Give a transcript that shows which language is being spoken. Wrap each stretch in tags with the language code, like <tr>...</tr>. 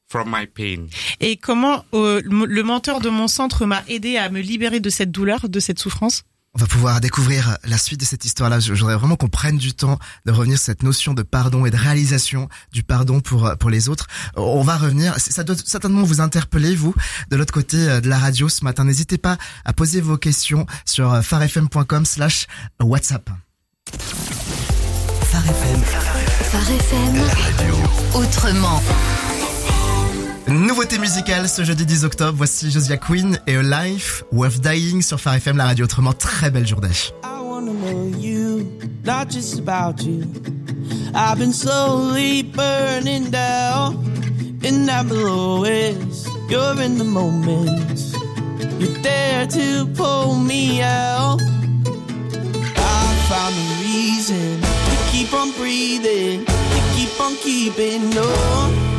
<en>from my pain.</en> <fr>Et comment le mentor de mon centre m'a aidé à me libérer de cette douleur, de cette souffrance? On va pouvoir découvrir la suite de cette histoire-là. Je voudrais vraiment qu'on prenne du temps de revenir sur cette notion de pardon et de réalisation du pardon pour les autres. On va revenir. Ça doit certainement vous interpeller, vous, de l'autre côté de la radio ce matin. N'hésitez pas à poser vos questions sur farfm.com/WhatsApp. Farfm. La radio. Autrement. Nouveauté musicale ce jeudi 10 octobre, voici Josiah Quinn et A Life Worth Dying sur Phare FM, la radio autrement. Très belle journée.</fr> <en>I wanna know you, not just about you. I've been slowly burning down, and I'm below it. You're in the moment, you're there to pull me out. I found a reason to keep on breathing, to keep on keeping on.</en>